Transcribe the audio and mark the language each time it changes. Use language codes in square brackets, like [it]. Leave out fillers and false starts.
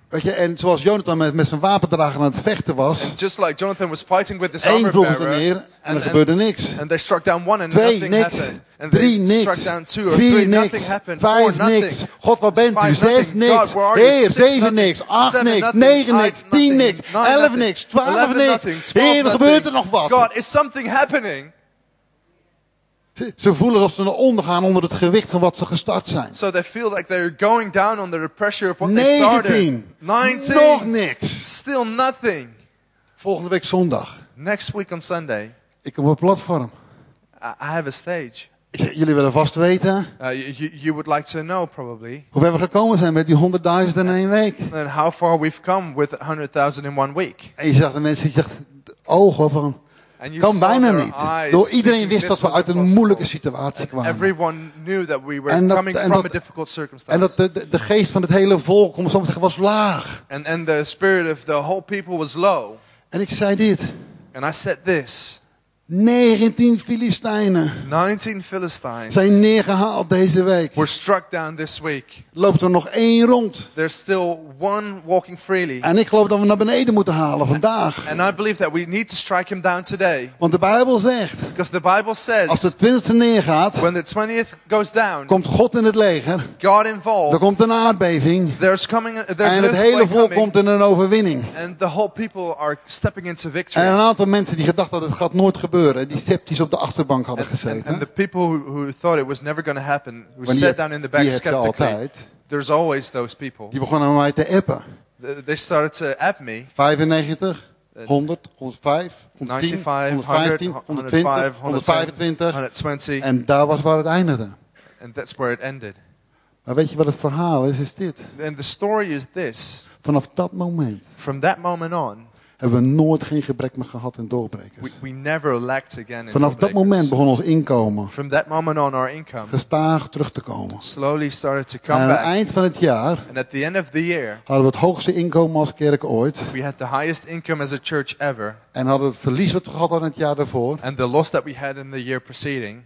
[nl] Weet je, en zoals Jonathan met zijn wapendrager aan het vechten was. [en] And just like Jonathan was fighting with this armor bearer. [nl] Eén vloog neer en er gebeurde niks. [en] And they struck down one and [nl] twee, [en] nothing [nl] niks. [en] Happened. And [nl] drie, [en] they [nl] niks. [en] Struck down two or [nl] vier, [en] three, [nl] niks. [en] Nothing happened. [nl] Vijf, [en] four, nothing. [nl] Niks. God, waar bent u? Zes, niks. Heer, zeven, niks. Acht, niks. Negen, niks. Tien, niks. Elf, niks. Twaalf, niks. Heer, er gebeurt er nog wat. [en] God, is something happening? [nl] Ze voelen alsof ze naar onder gaan onder het gewicht van wat ze gestart zijn. [en] So they feel like they're going down under the pressure of what 19. They started. [nl] 19. Nog niks. [en] Still nothing. [nl] Volgende week zondag. [en] Next week on Sunday. [nl] Ik heb een platform. [en] I have a stage. [nl] Jullie willen vast weten. [en] You would like to know probably. [nl] Hoe ver we gekomen zijn met die 100.000 in één week. [en] And how far we've come with 100.000 in one week. [nl] En je zag de mensen, je zag de ogen van. Kan bijna niet. Door iedereen wist dat we uit een moeilijke situatie kwamen. [en] Everyone knew that we were coming from a difficult circumstance. [nl] En dat de geest van het hele volk, om zo te zeggen, was laag. [en] And the spirit of the whole people was low. [nl] En ik zei dit. [en] And I said this. [nl] 19 Filistijnen. [en] 19 Philistines. [nl] Zijn neergehaald deze week. [en] Were struck down this week. [nl] Loopt er nog één rond. [en] There's still one walking freely. [nl] En ik geloof dat we naar beneden moeten halen vandaag. [en] And I believe that we need to strike him down today. [nl] Want de Bijbel zegt. [en] Because the Bible says. [nl] Als de 20e neergaat. [en] When the 20th goes down. [nl] Komt God in het leger. [en] God involved. [nl] Er komt een aardbeving. [en] There's coming. There's [nl] en het hele volk komt in een overwinning. [en] And the whole people are stepping into victory. [nl] En een aantal mensen die gedacht dat het gaat nooit gebeuren. Die sceptisch op de achterbank hadden gezeten. [en] And the people who thought it was never going to happen, who sat down in the back skeptically, there's always those people. [nl] Die begonnen mij te appen. [en] They started to app me. 95, 100, 105, 110, 115, 125. [nl] En daar was waar het eindigde. [en] And that's where it ended. [nl] Maar weet je wat het verhaal is? Is dit. [en] And the story is this. [nl] Vanaf dat moment. [en] From that moment on. [nl] hebben we nooit geen gebrek meer gehad in doorbrekers. [en] We never lacked again in [nl] Vanaf dat moment begon ons inkomen. [en] From that moment on, our income [nl] gestaag terug te komen. [en] Slowly started to come [nl] en aan [en] back. [nl] Het eind van het jaar [en] and at the end of the year, [nl] hadden we het hoogste inkomen als kerk ooit. [en] We had the highest income as a church ever. [nl] En hadden we het verlies wat we gehad hadden het jaar daarvoor. [en] And the loss that we had in the year preceding.